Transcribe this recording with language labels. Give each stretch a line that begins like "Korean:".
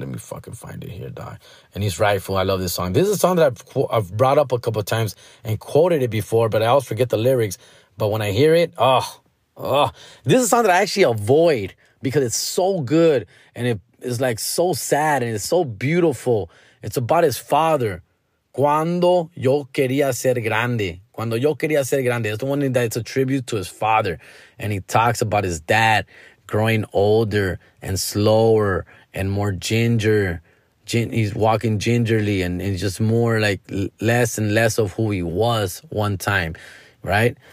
English: Let me fucking find it here, dog. And he's right, fool. I love this song. This is a song that I've brought up a couple of times and quoted it before, but I always forget the lyrics. But when I hear it, this is a song that I actually avoid because it's so good and it is like so sad and it's so beautiful. It's about his father.
Spanish: Cuando yo quería ser grande. Cuando yo quería ser grande.
English: It's the one that it's a tribute to his father. And he talks about his dad growing older and slower and more ginger. He's walking gingerly and just more like less and less of who he was one time. Right?